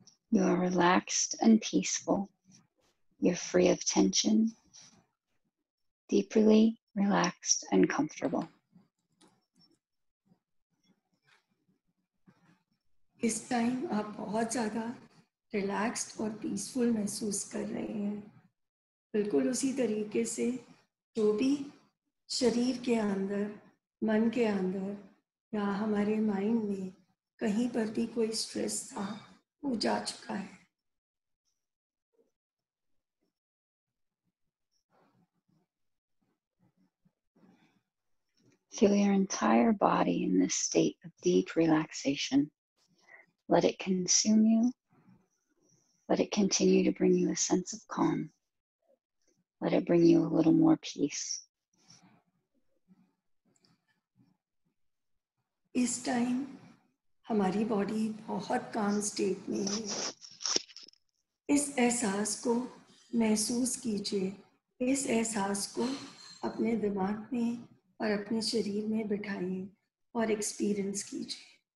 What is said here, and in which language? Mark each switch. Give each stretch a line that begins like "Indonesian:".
English: You are relaxed and peaceful. You're free of tension, deeply relaxed and comfortable.
Hindi: इस time आप बहुत ज्यादा relaxed और पीसफुल महसूस कर रहे हैं, बिल्कुल उसी तरीके से जो भी शरीर के अंदर, मन के अंदर या हमारे माइंड में कहीं पर भी कोई स्ट्रेस था वो जा चुका है.
English: Feel your entire body in this state of deep relaxation. Let it consume you. Let it continue to bring you a sense of calm. Let it bring you a little more peace.
Hindi: इस time हमारी body बहुत
English: calm state
Hindi: में है. इस एहसास को महसूस कीजिए. इस एहसास को अपने दिमाग में और अपने शरीर में बिठाइए और एक्सपीरियंस कीजिए.